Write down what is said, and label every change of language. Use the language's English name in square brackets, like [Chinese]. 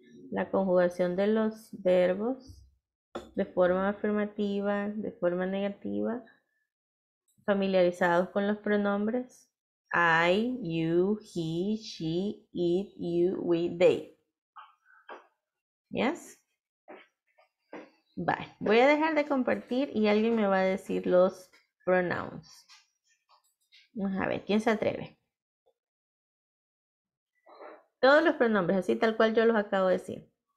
[Spanish] La conjugación de los verbos de forma afirmativa, de forma negativa, familiarizados con los pronombres. [English] I, you, he, she, it, you, we, they. Yes? Bye. [Spanish] Voy a dejar de compartir y alguien me va a decir los pronouns. Vamos a ver, ¿quién se atreve? Todos los pronombres, así tal cual yo los acabo de decir.